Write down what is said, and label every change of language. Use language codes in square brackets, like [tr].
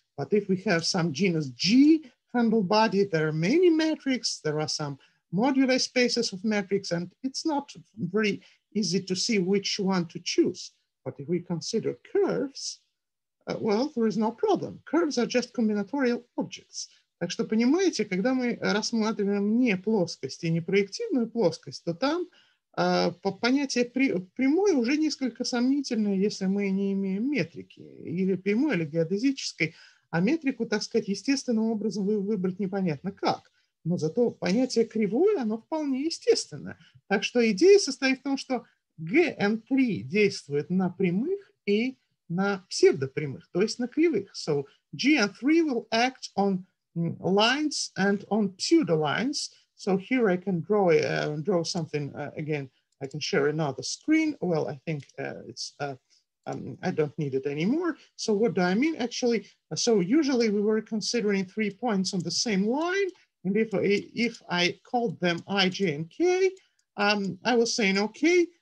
[en] But if we have some genus G handle body, there are many metrics. There are some moduli spaces of metrics. And it's not very easy to see which one to choose. But if we consider curves, well, there is no problem. Curves are just combinatorial objects. [ru] Так что, понимаете, когда мы рассматриваем не плоскость и не проективную плоскость, то там понятие прямой уже несколько сомнительное, если мы не имеем метрики, или прямой, или геодезической. А метрику, так сказать, естественным образом выбрать непонятно как. Но зато понятие кривое, оно вполне естественное. Так что идея состоит в том, что GN3 действует на прямых и на псевдопрямых, то есть на кривых. [en] So GN3 will act on lines and on pseudo lines. So here I can draw something again. I can share another screen. Well, I think it's I don't need it anymore. So what do I mean actually? So usually we were considering three points on the same line, and if I called them I, J, and K, I was saying okay.